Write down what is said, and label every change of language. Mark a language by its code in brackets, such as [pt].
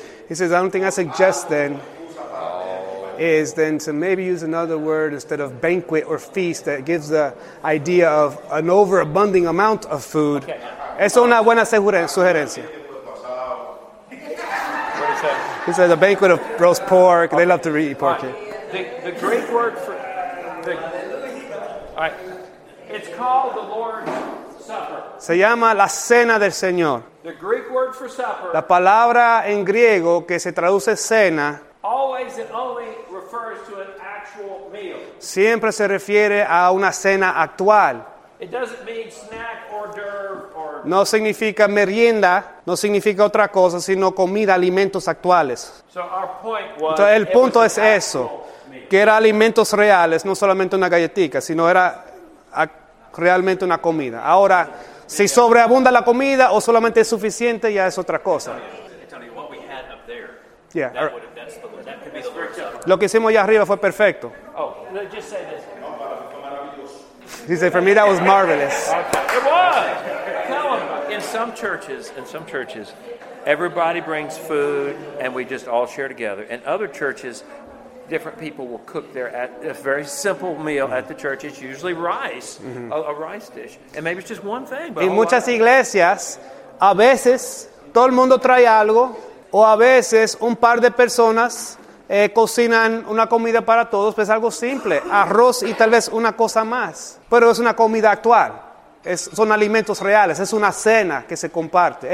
[en] He says, I don't think I suggest then, is then to maybe use another word instead of banquet or feast that gives the idea of an overabundant amount of food. [es] Es una buena sugerencia. [en] He says, a banquet of roast pork. They love to eat pork. The Greek word for... All right. It's called the Lord's Supper. [es] Se llama la Cena del Señor. [en] The Greek word for supper. [es] La palabra en griego que se traduce cena. [en] Always and only refers to an actual meal. [es] Siempre se refiere a una cena actual. [en] It doesn't mean snack or d'oeuvre or. [es] No significa merienda. No significa otra cosa, sino comida, alimentos actuales. [en] So our point was. [es] Entonces el punto es eso, que era alimentos reales, no solamente una galletita, sino era realmente una comida. Ahora, si sobreabunda la comida o solamente es suficiente, ya es otra cosa. [en] Tell you, Yeah. That would have, that's the, that could be the [es] lo que hicimos allá arriba fue perfecto. [en] Oh, no, just say this. He said, for me, that was marvelous. Okay. It was. Tell him. In some churches, everybody brings food, and we just all share together. In other churches, different people will cook their a very simple meal at the church. It's usually rice, a rice dish. And maybe it's just one thing. [es] En muchas iglesias, a veces, todo el mundo trae algo, o a veces, un par de personas cocinan una comida para todos, pues algo simple, arroz y tal vez una cosa más. Pero es una comida actual, son alimentos reales, es una cena que se comparte.